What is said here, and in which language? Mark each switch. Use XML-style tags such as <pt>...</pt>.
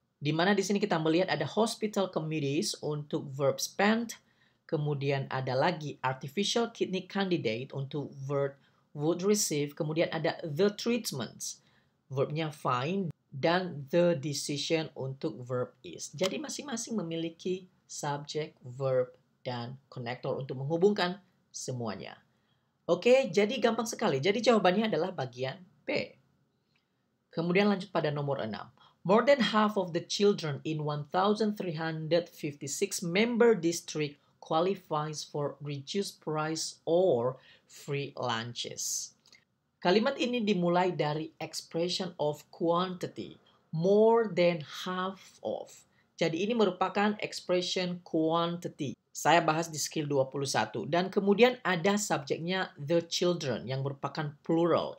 <id>Di mana di sini kita melihat ada</id> <en>hospital committees</en> <id>untuk verb spent, kemudian ada lagi</id> <en>artificial kidney candidate</en> <id>untuk verb</id> <en>would receive,</en> <id>kemudian ada</id> <en>the treatments,</en> <id>verbnya find, dan</id> <en>the decision</en> <id>untuk verb is. Jadi masing-masing memiliki subjek, verb, dan konektor untuk menghubungkan semuanya. Oke, jadi gampang sekali. Jadi jawabannya adalah bagian B. Kemudian lanjut pada nomor 6.</id> <en>More than half of the children in 1,356 member district qualifies for reduced price or free lunches.</en> <id>Kalimat ini dimulai dari</id> <en>expression of quantity. More than half of.</en> <id>Jadi ini merupakan expression quantity. Saya bahas di skill 21. Dan kemudian ada subjeknya</id> <en>the children</en> <id>yang merupakan plural.</id>